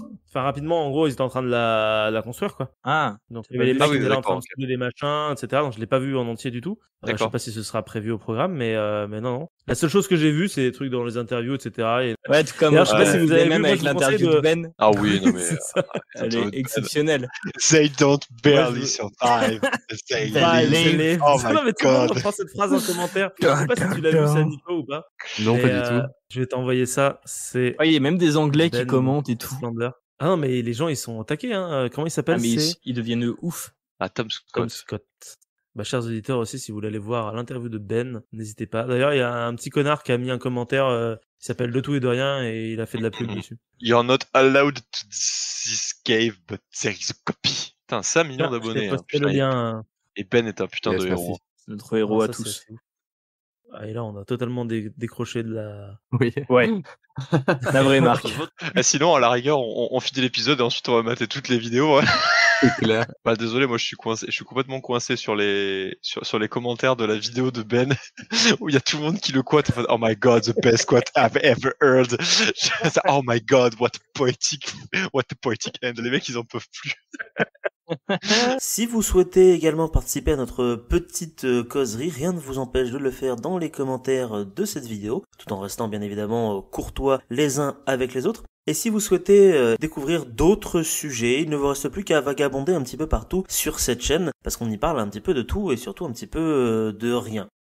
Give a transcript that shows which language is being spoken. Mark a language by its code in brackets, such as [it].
[fr] Enfin rapidement, en gros ils étaient en train de la construire, quoi. Ah. Donc il y avait les mecs qui étaient en train de construire les machins, etc. Donc je l'ai pas vu en entier du tout. D'accord. Je sais pas si ce sera prévu au programme, mais non. La seule chose que j'ai vu, c'est des trucs dans les interviews, etc. Et... Ouais, tout comme. Je sais pas si vous avez même vu, avec l'interview de Ben. Ah oui, non mais. Elle est exceptionnelle. [en] They don't barely survive. They live. Oh my god. [fr] Je prends cette phrase en commentaire. Je sais pas si tu l'as vu, ça, Nico, ou pas. Non, pas du tout. Je vais t'envoyer ça. C'est. Ouais, il y a même des Anglais qui commentent et tout. Ah non, mais les gens, ils sont attaqués, hein. Comment ils s'appellent? Ah, mais ils deviennent ouf. Ah, Tom Scott. Tom Scott. Bah, chers auditeurs aussi, si vous voulez aller voir l'interview de Ben, n'hésitez pas. D'ailleurs, il y a un petit connard qui a mis un commentaire, qui s'appelle De tout et de rien, et il a fait de la pub dessus. [en] You're not allowed to this cave, but there is a copy. [fr] Putain, 5 millions d'abonnés. Hein, putain, le lien. Et Ben est un putain de héros. Notre héros à tous. Ah, et là, on a totalement décroché de la... Oui. Ouais. La vraie marque. Et sinon, à la rigueur, on finit l'épisode et ensuite on va mater toutes les vidéos. Ouais. Clair. Bah désolé, moi je suis complètement coincé sur les commentaires de la vidéo de Ben où il y a tout le monde qui le quote en fait, [en] oh my god, the best quote I've ever heard. Oh my god, what a poetic end. [fr] Les mecs, ils en peuvent plus. Si vous souhaitez également participer à notre petite causerie, rien ne vous empêche de le faire dans les commentaires de cette vidéo, tout en restant bien évidemment courtois les uns avec les autres. Et si vous souhaitez découvrir d'autres sujets, il ne vous reste plus qu'à vagabonder un petit peu partout sur cette chaîne, parce qu'on y parle un petit peu de tout et surtout un petit peu de rien.